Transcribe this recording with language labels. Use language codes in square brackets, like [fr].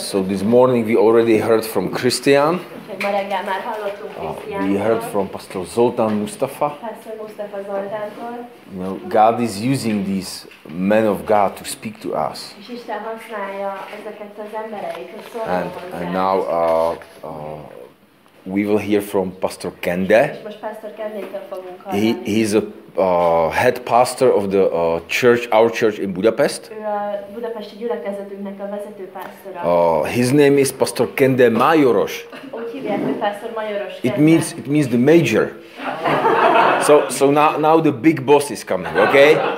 [en] So this morning we already heard from Christian. [hu] Ma reggel már hallottunk Christiantól. [en] We heard from Pastor Zoltán Mustafa. [hu] Pastor Mustafa Zoltántól. [en] You know, God is using these men of God to speak to us. [hu] És Isten használja ezeket az embereit, hogy szóljon hozzá. [en] And now we will hear from Pastor Kende. [hu] És most Pastor Kendétől fogunk hallani. [en] He is a head pastor of the our church in Budapest. [hu] Ő a budapesti gyülekezetünknek a vezető pásztora. [en] His name is Pastor Kende Majoros. [hu] Úgy hívják, hogy Pastor Majoros. [en] It means the major. So now the big boss is coming, okay?